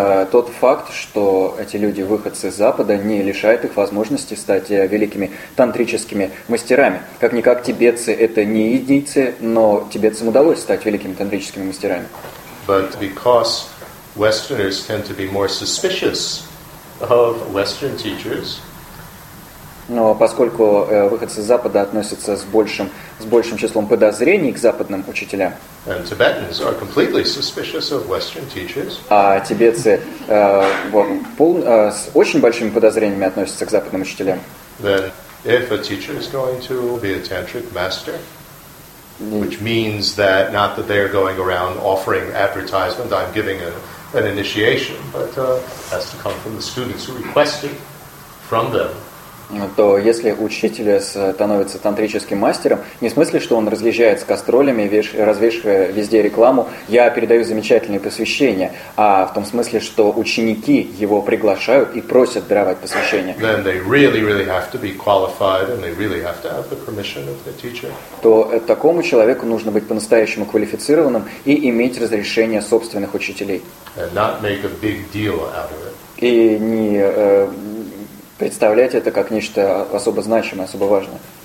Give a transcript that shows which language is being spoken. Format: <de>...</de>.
<ru>Тот факт, что эти люди выходцы из Запада, не лишает их возможности стать великими тантрическими мастерами. Как-никак, тибетцы – это не единицы, но тибетцам удалось стать великими тантрическими мастерами.</ru> <en>But because Westerners tend to be more suspicious of Western teachers,</en> <ru>Но поскольку выходцы с Запада относятся с большим числом подозрений к западным учителям,</ru> <en>and Tibetans are completely suspicious of Western teachers.</en> <ru>А тибетцы с очень большими подозрениями относятся к западным учителям,</ru> <en>then if a teacher is going to be a tantric master, which means that not that they are going around offering advertisement, I'm giving an initiation, but has to come from the students who requested from them.</en> <ru>То если учитель становится тантрическим мастером, не в смысле, что он разъезжает с кастролями, развешивая везде рекламу, я передаю замечательные посвящения, а в том смысле, что ученики его приглашают и просят даровать посвящение,</ru> <en>then they really, really have to be qualified and they really have to have the permission of the teacher.</en> <ru>То такому человеку нужно быть по-настоящему квалифицированным и иметь разрешение собственных учителей.</ru> <en>And not make a big deal out of it.</en> <ru>И не представлять это как нечто особо значимое, особо важное.</ru>